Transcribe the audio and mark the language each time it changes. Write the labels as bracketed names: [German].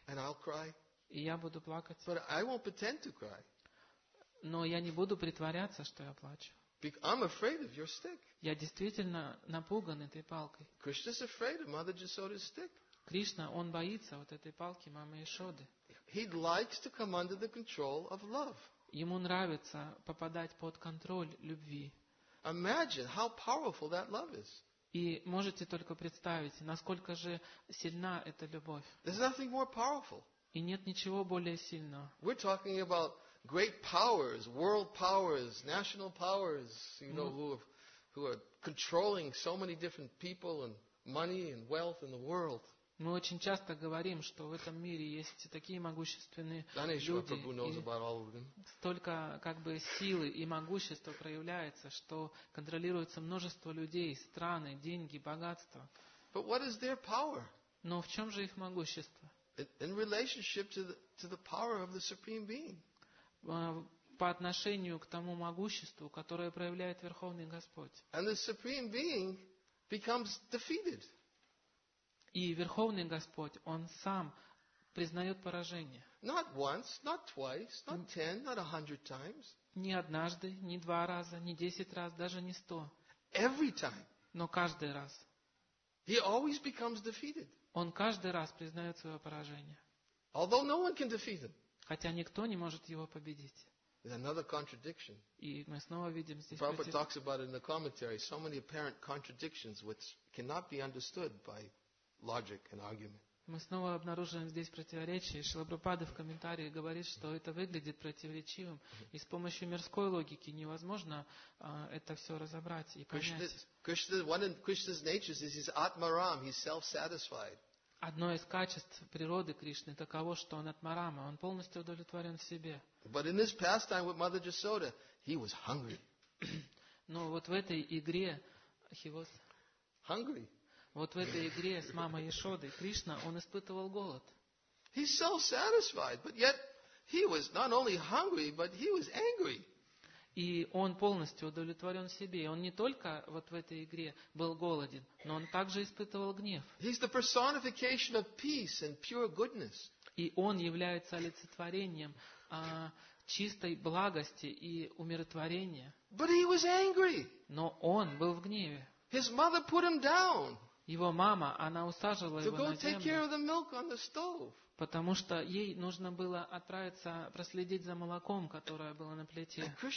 [English] And I'll cry. [Russian] И я буду плакать. [English] But I won't pretend to cry. [Russian] Но я не буду притворяться, что я плачу. [English] I'm afraid of your stick. [Russian] Я действительно напуган этой палкой. [English] Krishna's afraid of Mother Jasoda's stick. [Russian] Кришна, он боится вот этой палки мамы Ишоды. [English] He'd likes to come under the control of love. [Russian] Ему нравится попадать под контроль любви. [English] Imagine how powerful that love is. [Russian] И можете только представить, насколько же сильна эта любовь. [English] There's nothing more powerful. [Russian] И нет ничего более сильного. [English] We're talking about great powers, world powers, national powers, you know, who are controlling so many different people and money and wealth in the world. [Russian] Мы очень часто говорим, что в этом мире есть такие могущественные люди, и столько как бы силы и могущества проявляется, что контролируется множество людей, страны, деньги, богатство. [English] But what is their power? [Russian] Но в чем же их могущество? [English] In relationship to the power of the Supreme Being. [Russian] По отношению к тому могуществу, которое проявляет Верховный Господь. [English] And the Supreme Being becomes defeated. [Russian] И Верховный Господь, Он сам признает поражение. [English] Not once, not twice, not 10, not 100 times. [Russian] Не однажды, не два раза, не 10 раз, даже не 100. [English] Every time. [Russian] Но каждый раз. [English] He always becomes defeated. [Russian] Он каждый раз признает свое поражение. [English] Although no one can defeat him. [Russian] Хотя никто не может его победить. [English] There's another contradiction. [Russian] И мы снова видим здесь. [English] Prabhupada talks about it in the commentary. So many apparent contradictions which cannot be understood by logic and argument. [Russian] Мы снова обнаруживаем здесь противоречие. Шрила Прабхупада в комментарии говорит, что это выглядит противоречивым, и с помощью мирской логики невозможно это все разобрать и понять. [English] Krishna's nature is his atmaram, he's self-satisfied. [Russian] Одно из качеств природы Кришны таково, что он атмарама, он полностью удовлетворен в себе. [English] But in this pastime with Mother Jasoda, he was hungry. [Russian] Но вот в этой игре [English] he was hungry. [Russian] Вот в этой игре с мамой Яшодой Кришна, он испытывал голод. [English] He's self-satisfied, but yet he was not only hungry, but he was angry. [Russian] И он полностью удовлетворен себе. Он не только вот в этой игре был голоден, но он также испытывал гнев. [English] He's the personification of peace and pure goodness. [Russian] И он является олицетворением чистой благости и умиротворения. [English] But he was angry. [Russian] Но он был в гневе. [English] His mother put him down. [Russian] Его мама, она усаживала его на землю, потому что ей нужно было отправиться проследить за молоком, которое было на плите.